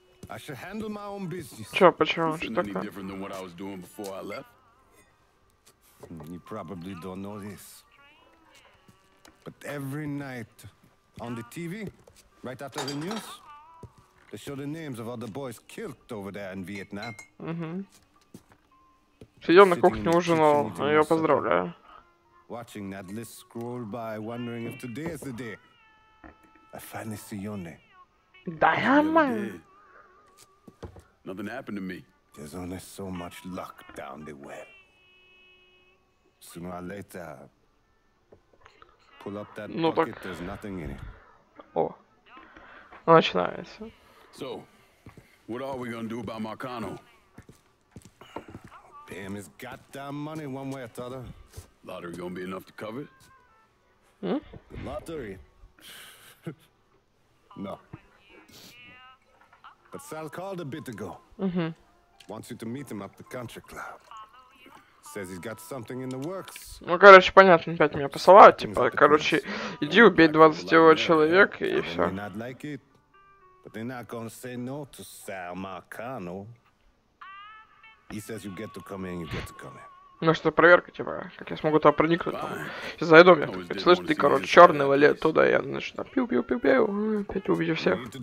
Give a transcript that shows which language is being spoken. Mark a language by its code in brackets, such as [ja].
[en] I should handle my own business. [ru] Чё, почему? Что такое? [en] Different than what I was doing before I left. You probably don't know this. But every night on the TV, right after the news, they show the names of all the boys killed over there in Vietnam. [ru] Сидел на кухне, ужинал, а я поздравляю. [en] Watching that list scroll by, wondering if today is the day. I finally see your name. Diamond! Nothing happened to me. There's only so much luck down the well. Sooner or later, pull up that bucket, there's nothing in it. [ru] О, начинается. [en] So, what are we gonna do about Marcano? Pay him his goddamn money one way or the other. Lottery gonna be enough to cover it? The lottery? No. But Sal called a bit ago. Wants you to meet him up the country club. Says he's got something in the works. [ru] Ну, короче, понятно, опять меня посылают, типа, короче, иди убей 20-го человека и все. [en] They're not like it. But they're not gonna say no to Sal Marcano. He says you get to come in, you get to come in. [ru] Ну что, проверка, типа, как я смогу туда проникнуть, там. Сейчас зайду, я тут, как, слышишь, ты, короче, черный валет туда, я, значит, пью-пью-пью-пью, опять увидел всех.